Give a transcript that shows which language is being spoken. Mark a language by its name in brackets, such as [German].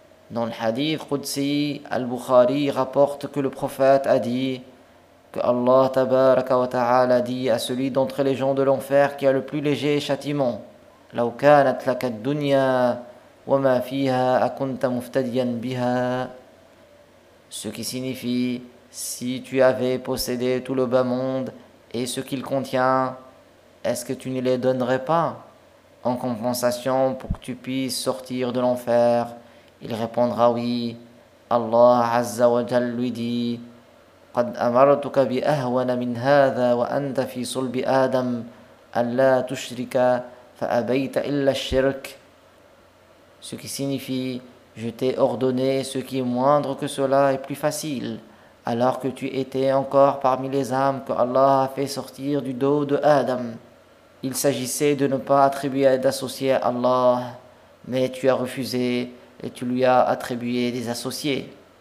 [French] Dans le hadith Qudsi, Al-Bukhari rapporte que le prophète a dit que Allah tabaraka wa ta'ala dit à celui d'entre les gens de l'enfer qui a le plus léger châtiment « [Arabic] Law kanat laka ad-dunya wa ma fiha akunta muftadiyan biha [French] » ce qui signifie « Si tu avais possédé tout le bas monde et ce qu'il contient, est-ce que tu ne les donnerais pas en compensation pour que tu puisses sortir de l'enfer ?» Il répondra oui, [Arabic] الله عز وجل دي قد أمرتك بأهون من هذا وأنت في صلب آدم أن لا تشرك فأبيت إلا الشرك. [French] Ce qui signifie, je t'ai ordonné ce qui est moindre que cela et plus facile, alors que tu étais encore parmi les âmes que Allah a fait sortir du dos de Adam. Il s'agissait de ne pas attribuer et d'associer à Allah, mais tu as refusé et tu lui as attribué des associés.